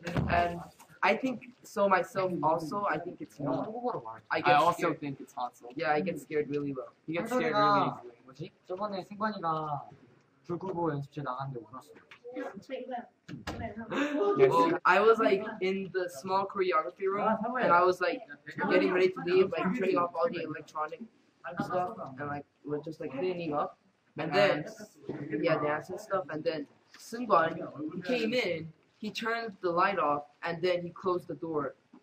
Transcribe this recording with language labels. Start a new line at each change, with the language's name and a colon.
English: And I think so myself also, I think it's Noah. I also think it's Hansel. Yeah, I get scared really well. He gets scared really easily.
Korean: 뭐지? 저번에 생관이가 불구고 연습실 나갔는데 울었어요.
English: I was like in the small choreography room and I was like getting ready to leave, like turning off all the electronic stuff and like we're just like cleaning up and then yeah, dance and stuff. And then Seungwon came in, he turned the light off and then he closed the door.